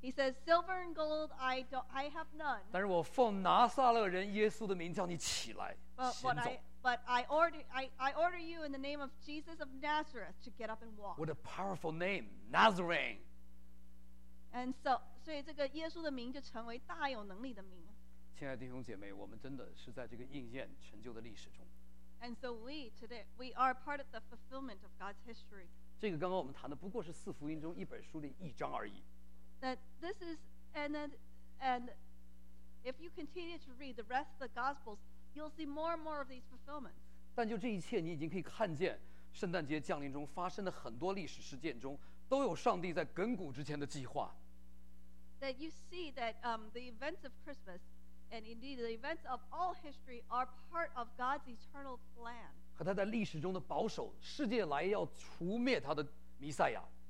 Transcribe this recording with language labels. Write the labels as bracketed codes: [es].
[en] He says, "Silver and gold, I have none." [zh] 但是我奉拿撒勒人耶稣的名叫你起来，行走。 [en] But I order you in the name of Jesus of Nazareth to get up and walk. What a powerful name, Nazarene. And so, [zh] 所以这个耶稣的名就成为大有能力的名。亲爱的弟兄姐妹，我们真的是在这个应验成就的历史中。 [en] And so we today are part of the fulfillment of God's history. [zh] 这个刚刚我们谈的不过是四福音中一本书的一章而已。 [en] That this is, and if you continue to read the rest of the Gospels, you'll see more and more of these fulfillments. [zh] 但就这一切，你已经可以看见，圣诞节降临中发生的很多历史事件中，都有上帝在亘古之前的计划。 [en] That you see that the events of Christmas, and indeed the events of all history, are part of God's eternal plan. [zh] 和他在历史中的保守，世界来要除灭他的弥赛亚。